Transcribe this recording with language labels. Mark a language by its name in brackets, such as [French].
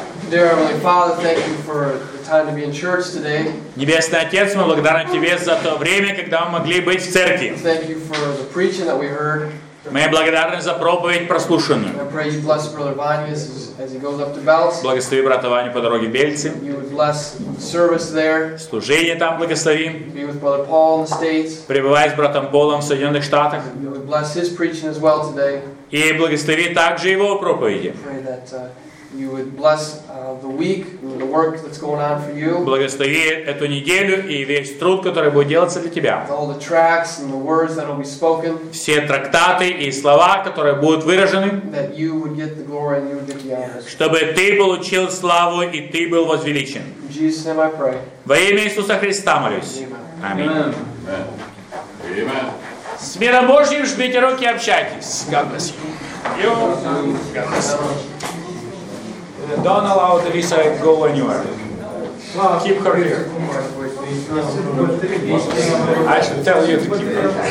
[English] Dear Heavenly Father, thank you for the time to be in church today. [Russian] Небесный Отец, мы благодарны Тебе за то время, когда мы могли быть в церкви. [English] Thank you for the preaching that we heard. [Russian] Мы благодарны за проповедь прослушанную. [English] I pray you bless brother Vanya as he goes up to Belts. [Russian] Благослови брата Ваню по дороге в Бельцы. [English] You would bless service there. [Russian] Служение там благослови. [English] Be with brother Paul in the States. [Russian] Пребывай с братом Полом в Соединенных Штатах. [English] You would bless his preaching as well today. [Russian] И благослови также его проповеди. [English] You would bless the week, the work that's going on for you. [Russian] Благослови эту неделю и весь труд, который будет делаться для тебя. [English] All the tracts and the words that will be spoken. [Russian] Все трактаты и слова, которые будут выражены. [English] That you would get the glory and you would get the honor. [Russian] Чтобы ты получил славу и ты был возвеличен. [English] In Jesus' name I pray. [Russian] Во имя Иисуса Христа молюсь. Аминь. Аминь. С миром Божьим жмите руки и общайтесь. [English] God bless you. God bless you. Don't allow the visa to go anywhere. Keep her here. I should tell you to keep her.